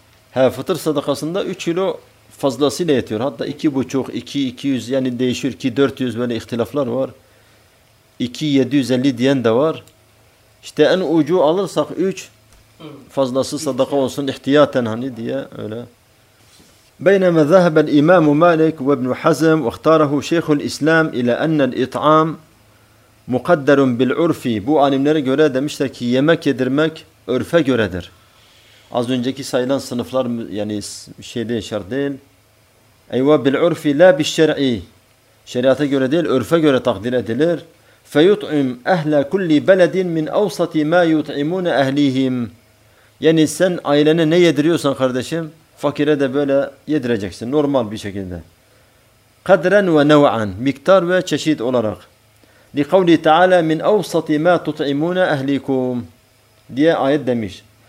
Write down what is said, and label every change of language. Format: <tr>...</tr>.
<tr>He, fıtır sadakasında 3 kilo fazlasıyla yetiyor. Hatta 2,5, 2,200 yani değişir ki 400 böyle ihtilaflar var. 2,750 diyen de var. İşte en ucu alırsak 3 fazlası sadaka olsun ihtiyaten hani diye öyle.</tr> <ar>بينما ذهب الإمام مالك وابن حزم واختاره شيخ الإسلام إلى أن الإطعام مقدر بالعرف</ar> <tr>bu alimlere göre demişler ki yemek yedirmek örfe göredir. Az önceki sayılan sınıflar yani şey değil, şart değil.</tr> <ar>أيوة بالعرف لا بالشرع</ar> <tr>şeriata göre değil, örfe göre takdir edilir.</tr> <ar>فيطعم أهل كل بلد من أوسط ما يطعمون أهليهم.</ar> <tr>Yani sen ailene ne yediriyorsan kardeşim fakire de böyle yedireceksin normal bir şekilde.</tr> <ar>Kadren ve nev'an,</ar> <tr>miktar ve çeşit olarak.</tr> <ar>Li kavli taala min awsati ma tut'imuna ahlikum</ar> <tr>diye ayet demiş.</tr>